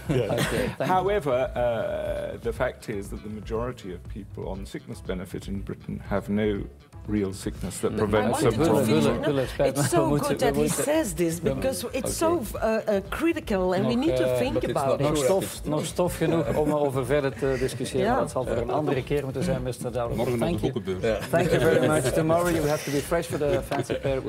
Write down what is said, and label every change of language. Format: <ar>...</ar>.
<en>Okay, however, the fact is that the majority of people on sickness benefit in Britain have no real sickness that prevents them from... It's so good that he says this, because it's so critical, and we need to think about it.</en> <nl>Nog stof genoeg om over verder te discussiëren. Dat zal voor een andere keer moeten zijn, Mr. Dalrymple. Morgen op de boekenbeurs.</nl> <en>Thank you very much. Tomorrow you have to be fresh for the fancy pair.</en>